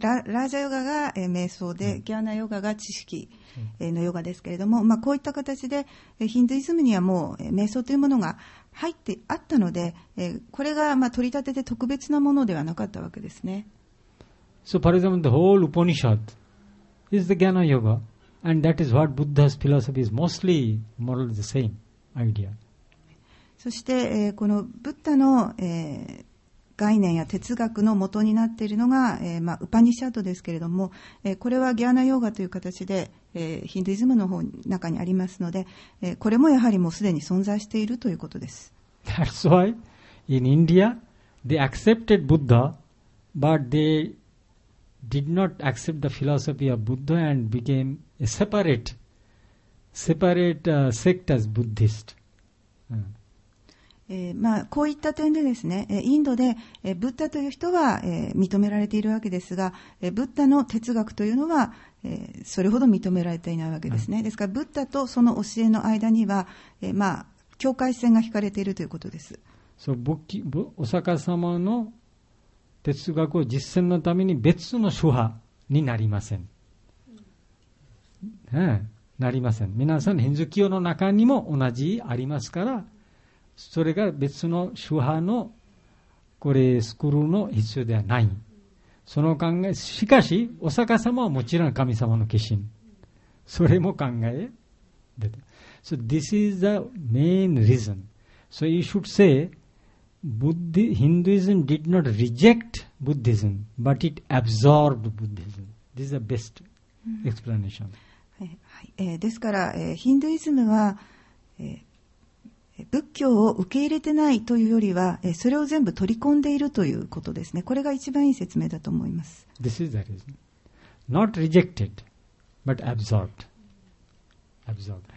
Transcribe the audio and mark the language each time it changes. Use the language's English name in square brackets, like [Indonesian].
[Japanese] ラージャヨガが、瞑想で、ギャナヨガが知識、のヨガですけれども、まあ、こういった形で、ヒンドゥイズムにはもう、瞑想というものが入ってあったので、これが、まあ、取り立てて特別なものではなかったわけですね。 [English] So for example, the whole Upanishad is the Jnana Yoga. And that is what Buddha's philosophy is mostly more or less the same idea. [Japanese] そして、このブッダの、概念や哲学の元になっているのが、まあ、ウパニシャッドですけれども、これはギャーナヨーガという形で、ヒンドゥイズムの方の中にありますので、これもやはりもうすでに存在しているということです。 [English] That's why in India They accepted Buddha, but they did not accept the philosophy of Buddha and became a separate sect as Buddhist. [Japanese] まあ、こういった点でですね、インドでブッダという人は認められているわけですが、ブッダの哲学というのはそれほど認められていないわけですね。ですから、ブッダとその教えの間には、まあ、境界線が引かれているということです。お釈迦様の哲学を実践のために別の諸派になりません。なりません。皆さん、ヒンズー教の中にも同じありますから、それが別の諸派のこれスクールの必要ではない。その考え、しかし、お釈迦様はもちろん神様の化身。それも考え出て。 [English] So this is the main reason. So you should say, Hinduism did not reject Buddhism, but it absorbed Buddhism. This is the best explanation.、うん、 [Japanese] ですから、ヒンドゥイズムは、仏教を受け入れてないというよりは、それを全部取り込んでいるということですね。これが一番いい説明だと思います。 [English] This is the reason. Not rejected, but absorbed. Absorbed.